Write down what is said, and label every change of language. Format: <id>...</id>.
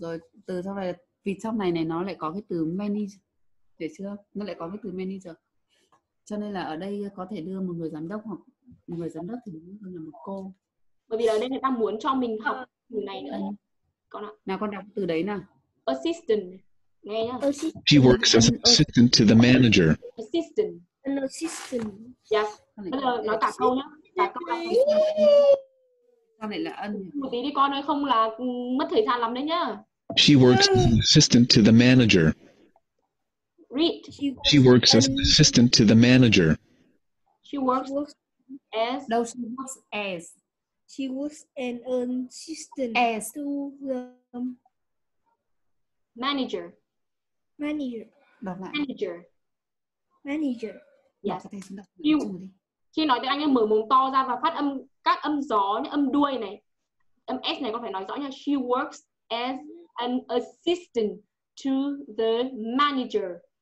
<vi>Rồi, từ trong này, vì trong này này nó lại có cái từ manager, hiểu chưa? Nó lại có cái từ manager. Cho nên là ở đây có thể đưa một người giám đốc hoặc một người giám đốc thì đúng là một cô. Bởi vì là đây người ta muốn cho mình học này nữa. Con ạ. Nào con đọc từ đấy nào. Assistant. Nghe nhá.</vi> <en>She works as an assistant to the manager. Assistant. An assistant.</en> <vi>Yes. Bây giờ nói cả câu nhá. Cả câu đọc. Con này là ân. Một tí đi con ơi, không là mất thời gian lắm đấy nhá.</vi> <en>She works as an assistant to the manager. Read. She works as an assistant to the manager. She works as. No, she works as. She was an assistant as to the manager. Manager. Manager. Manager. Yes.</en> <vi>Khi nói tiếng Anh em mở mồm to ra và phát âm các âm gió, những âm đuôi này, âm S này con phải nói rõ nha.</vi> <en>She works as an assistant to the manager.</en>